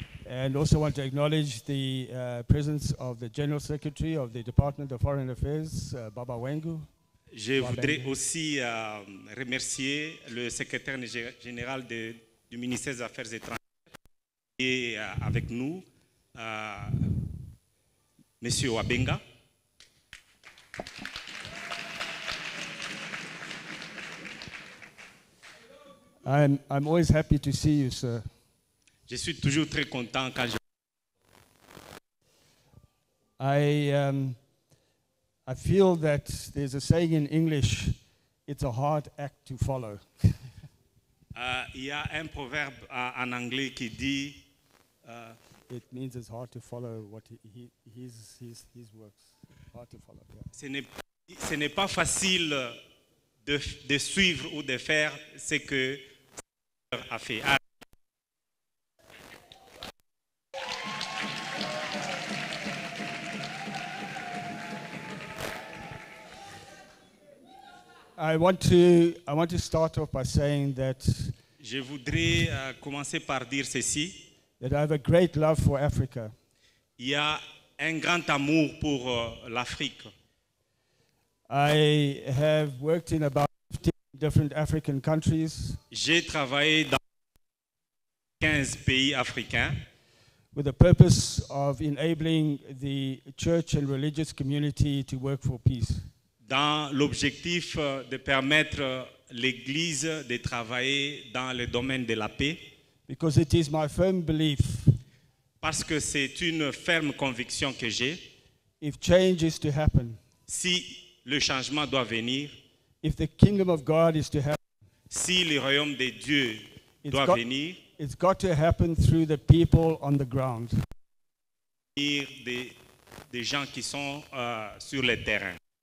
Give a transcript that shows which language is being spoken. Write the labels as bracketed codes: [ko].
[en] And also want to acknowledge the presence of the General Secretary of the Department of Foreign Affairs, Baba Wengu. [fr] Je voudrais aussi remercier le secrétaire général du ministère des Affaires étrangères. Et avec nous, Monsieur Wabenga. [en] I'm always happy to see you, sir. [fr] Je suis toujours très content quand je. [en] I feel that there's a saying in English, it's a hard act to follow. [fr] Il y a un proverbe en anglais qui dit. [en] It means it's hard to follow what his works. Hard to follow. Yeah. [fr] Ce n'est pas facile de suivre ou de faire ce que a fait. [en] I want to start off by saying that. [fr] Je voudrais commencer par dire ceci. [en] That I have a great love for Africa. [fr] Il y a un grand amour pour l'Afrique. [en] I have worked in about 15 different African countries. [fr] J'ai travaillé dans 15 pays africains. [en] With the purpose of enabling the church and religious community to work for peace. [fr] Dans l'objectif de permettre l'Église de travailler dans le domaine de la paix. [en] Because it is my firm belief [fr] Parce que c'est une ferme conviction que j'ai. [en] If change is to happen, [fr] si le changement doit venir, [en] if the kingdom of God is to happen, [fr] si le royaume de Dieu doit venir, [en] it's got to happen through the people on the ground. [fr] Des gens qui sont sur le terrain.